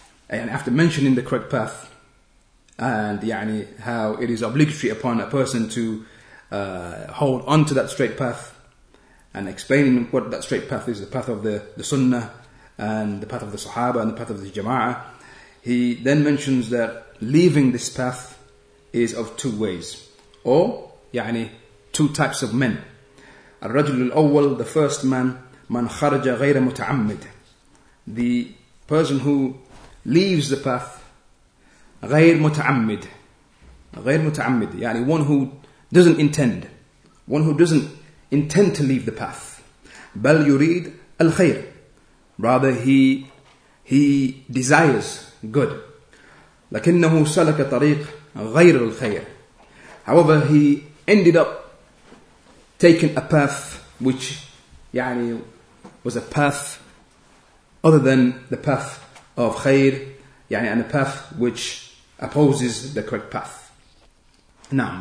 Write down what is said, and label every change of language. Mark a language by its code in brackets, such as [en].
[en] and after mentioning the correct path and يعني how it is obligatory upon a person to hold on to that straight path and explaining what that straight path is, the path of the sunnah and the path of the sahaba and the path of the jama'ah, he then mentions that leaving this path is of two ways or يعني two types of men. [ar] الرجل الأول, [en] the first man, [ar] من خرج غير متعمد, [en] the person who leaves the path [ar] غير متعمد. غير متعمد, [en] يعني one who doesn't intend, one who doesn't intend to leave the path. [ar] بل يريد الخير, [en] rather he desires good. [ar] لكنه سلك طريق غير الخير, [en] however he ended up taken a path which يعني was a path other than the path of خير, يعني and a path which opposes the correct path. نعم.